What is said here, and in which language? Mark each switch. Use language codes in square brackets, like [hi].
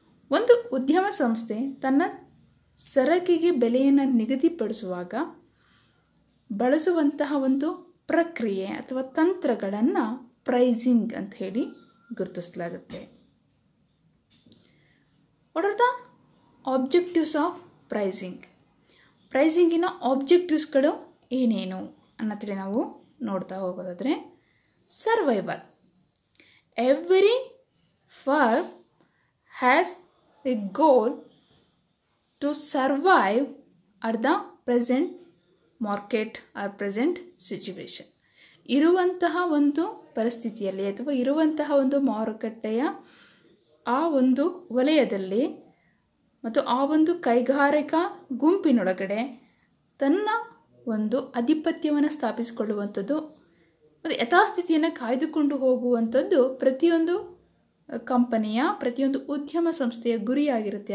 [kn] ಒಂದು ಉದ್ಯಮ ಸಂಸ್ಥೆ ತನ್ನ ಸರಕಿಗೆ ಬೆಲೆಯನ್ನು ನಿಗದಿಪಡಿಸುವಾಗ ಬಳಸುವಂತಹ ಒಂದು ಪ್ರಕ್ರಿಯೆ ಅಥವಾ ತಂತ್ರಗಳನ್ನು ಪ್ರೈಸಿಂಗ್ ಅಂತ ಹೇಳಿ ಗುರುತಿಸಲಾಗುತ್ತೆ. [en] What are the objectives of pricing? [kn] ಪ್ರೈಸಿಂಗಿನ ಆಬ್ಜೆಕ್ಟಿವ್ಸ್ಗಳು ಏನೇನು ಅನ್ನತ್ತಿ ನಾವು ನೋಡ್ತಾ ಹೋಗೋದಾದರೆ, survival. [en] Every firm has a goal to survive at the present market or present situation. [kn] ಇರುವಂತಹ ಒಂದು ಪರಿಸ್ಥಿತಿಯಲ್ಲಿ ಅಥವಾ ಇರುವಂತಹ ಒಂದು ಮಾರುಕಟ್ಟೆಯ ಆ ಒಂದು ವಲಯದಲ್ಲಿ ಮತ್ತು ಆ ಒಂದು ಕೈಗಾರಿಕಾ ಗುಂಪಿನೊಳಗಡೆ ತನ್ನ ಒಂದು ಆಧಿಪತ್ಯವನ್ನು ಸ್ಥಾಪಿಸಿಕೊಳ್ಳುವಂಥದ್ದು ಮತ್ತು ಯಥಾಸ್ಥಿತಿಯನ್ನು ಕಾಯ್ದುಕೊಂಡು ಹೋಗುವಂಥದ್ದು ಪ್ರತಿಯೊಂದು ಕಂಪನಿಯ ಪ್ರತಿಯೊಂದು ಉದ್ಯಮ ಸಂಸ್ಥೆಯ ಗುರಿಯಾಗಿರುತ್ತೆ.